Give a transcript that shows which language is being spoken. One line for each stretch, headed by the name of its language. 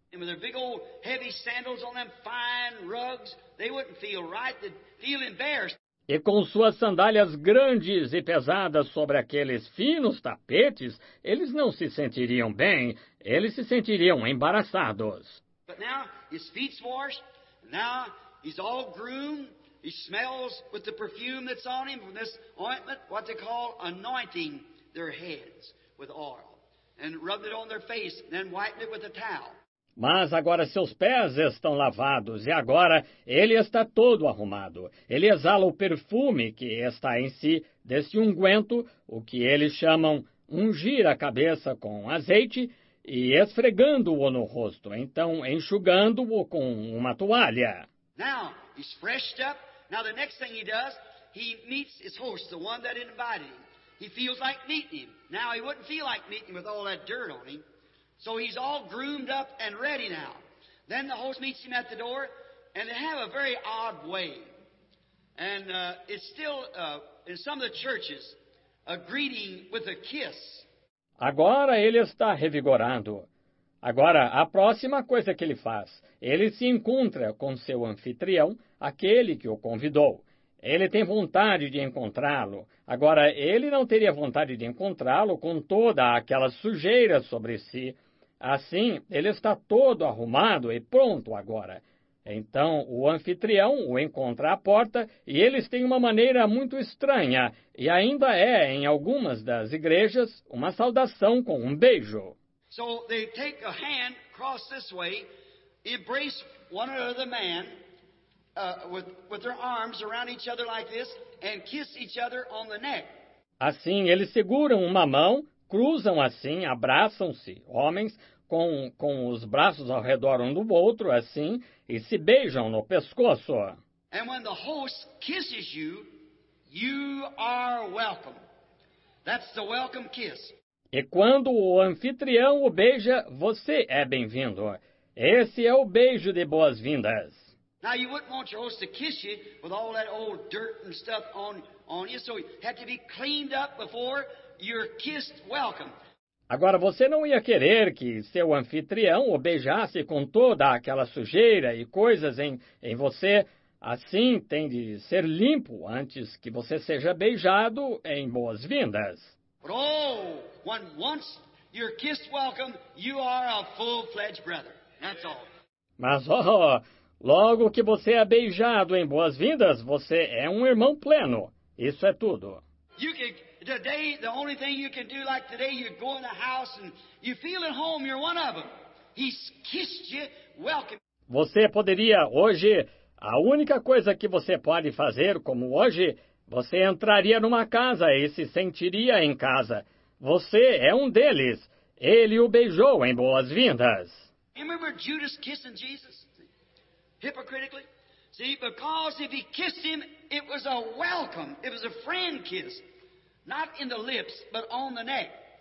Portuguese: E com seus
English: big old heavy sandals on them fine rugs, they wouldn't feel right, they'd feel embarrassed.
Portuguese: E com suas sandálias grandes e pesadas sobre aqueles finos tapetes, eles não se sentiriam bem, eles se sentiriam embaraçados.
English: But now his feet's washed, now he's all groomed, he smells with the perfume that's on him from this ointment, what they call anointing their heads with oil, and rubbed it on their face, then wiped it with a towel.
Portuguese: Mas agora seus pés estão lavados e agora ele está todo arrumado. Ele exala o perfume que está em si desse unguento, o que eles chamam ungir a cabeça com azeite, e esfregando-o no rosto, então enxugando-o com uma toalha.
English: Now he's freshened up. Now the next thing he does, he meets his host, the one that invited him. He feels like meeting him. Now he wouldn't feel like meeting him with all that dirt on him. So he's all groomed up and ready now. Then the host meets him at the door, and they have a very odd way. And it's still in some of the churches a greeting with a kiss.
Portuguese: Agora ele está revigorado. Agora, a próxima coisa que ele faz, ele se encontra com seu anfitrião, aquele que o convidou. Ele tem vontade de encontrá-lo. Agora, ele não teria vontade de encontrá-lo com toda aquela sujeira sobre si. Assim, ele está todo arrumado e pronto agora. Então, o anfitrião o encontra à porta e eles têm uma maneira muito estranha e ainda é, em algumas das igrejas, uma saudação com um beijo.
English: So they take a hand across this way, embrace one another man with their arms around each other like this and kiss each other on the neck.
Portuguese: Assim, eles seguram uma mão, cruzam assim, abraçam-se, homens, com os braços ao redor um do outro, assim, e se beijam no pescoço.
English: And when the host kisses you, you are welcome. That's the welcome kiss.
Portuguese: E quando o anfitrião o beija, você é bem-vindo. Esse é o beijo de boas-vindas.
English: Now you wouldn't want your host to kiss you with all that old dirt and stuff on you, so you had to be cleaned up before you're kissed welcome.
Portuguese: Agora, você não ia querer que seu anfitrião o beijasse com toda aquela sujeira e coisas em você. Assim, tem de ser limpo antes que você seja beijado em boas-vindas.
English: Oh, when once you're kissed welcome, you are a full-fledged brother. That's all.
Portuguese: Mas, oh, logo que você é beijado em boas-vindas, você é um irmão pleno. Isso é tudo.
English: Today, the only thing you can do like today, you go in the house and you feel at home, you're one of them. He's kissed you, welcome.
Portuguese: Você poderia hoje, a única coisa que você pode fazer como hoje, você entraria numa casa e se sentiria em casa. Você é um deles. Ele o beijou em boas-vindas.
English: Remember Judas kissing Jesus? Hypocritically? See, because if he kissed him, it was a welcome. It was a friend kiss. Not in the lips, but on the neck.